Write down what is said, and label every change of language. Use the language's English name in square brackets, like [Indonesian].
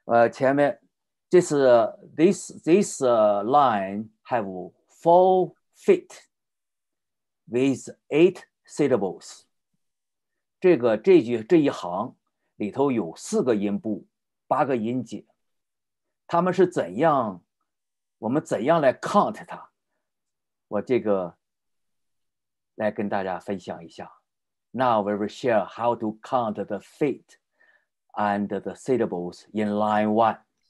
[Chinese] 前面这是 [English] this line have four feet with eight syllables。 [Chinese] 这一行里头有四个音部，八个音节。他们是怎样，我们怎样来 count 它，我这个来跟大家分享一下。 [English] Now we will share how to count the feet and the syllables in line one.